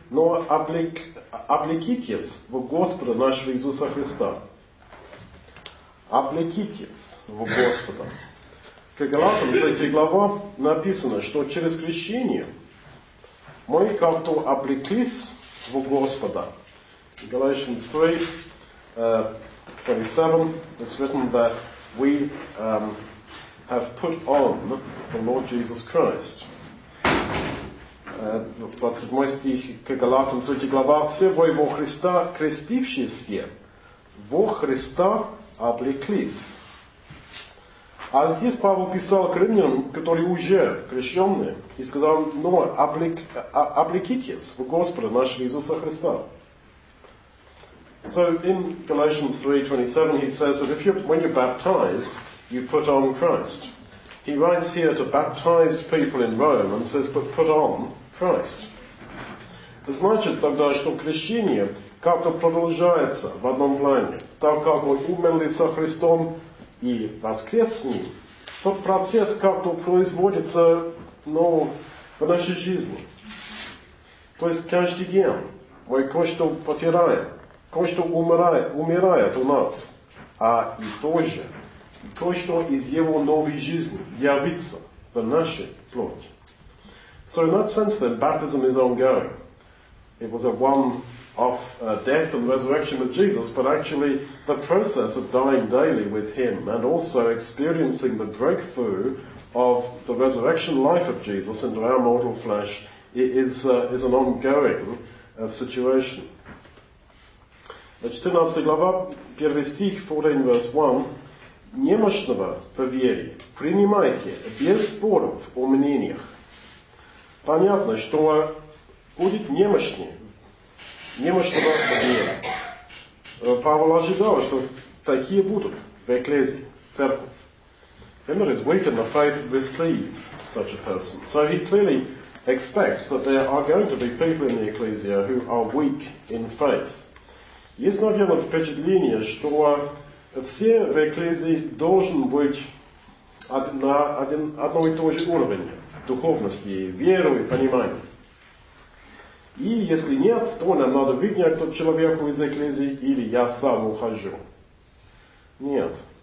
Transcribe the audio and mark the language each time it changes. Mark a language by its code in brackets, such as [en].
[ru] Но облекитесь в Господа нашего Иисуса Христа. Облекитесь в Господа. К Галатам, 3 глава, написано, что через крещение мы как-то облеклись в Господа. [en] Galatians 3:27, it's written that we have put on the Lord Jesus Christ. [ru] 27 стих к Галатам, 3 глава. Все вы во Христа крестившиеся, во Христа облеклись. А здесь Павел писал к римлянам, которые уже крещены, и сказал, но облекитесь в Господа нашего Иисуса Христа. [en] So in Galatians 3:27 he says that when you're baptized, you put on Christ. He writes here to baptized people in Rome and says, but put on Christ. [ru] Значит тогда, что крещение как-то продолжается в одном плане. Так как мы умерли со Христом и воскрес с ним, тот процесс как-то производится, ну, в нашей жизни. То есть каждый день мы кое-что потираем, кое-что умирает у нас, а и тоже кое-что из его новой жизни явится в нашей плоти. [en] So in that sense then, baptism is ongoing. It was a one-off death and resurrection with Jesus, but actually the process of dying daily with him and also experiencing the breakthrough of the resurrection life of Jesus into our mortal flesh is an ongoing situation. [ru] 14 глава, 1 стих, [en] 14 verse 1. [ru] Немощного по вере принимайте без споров о мнениях. Понятно, что будет немощный, немощного по вере. Павел ожидал, что такие будут в Экклезии, в церкви. [en] When there is weak in the faith, receive such a person. So he clearly expects that there are going to be people in the Ecclesia who are weak in faith. [ru] Есть, наверное, впечатление, что все в Экклезии должны быть на одно и то же уровне духовности, веры и понимания. И если нет, то нам надо выгнать тот человеку из Экклезии, или я сам ухожу. Нет.